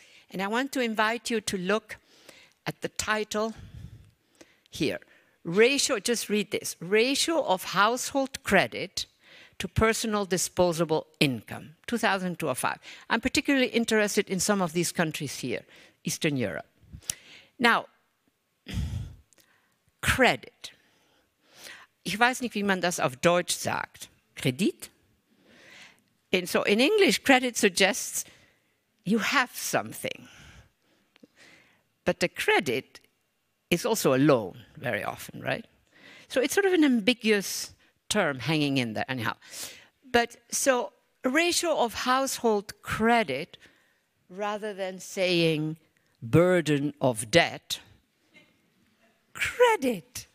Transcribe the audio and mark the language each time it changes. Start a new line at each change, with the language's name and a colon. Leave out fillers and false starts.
German: And I want to invite you to look at the title here. Ratio, just read this. Ratio of household credit to personal disposable income, 2005. I'm particularly interested in some of these countries here, Eastern Europe. Now, credit. Ich weiß nicht, wie man das auf Deutsch sagt. Kredit.
English: And so in English, credit suggests you have something. But the credit is also a loan very often, right? So it's sort of an ambiguous term hanging in there anyhow. But so ratio of household credit, rather than saying burden of debt, credit.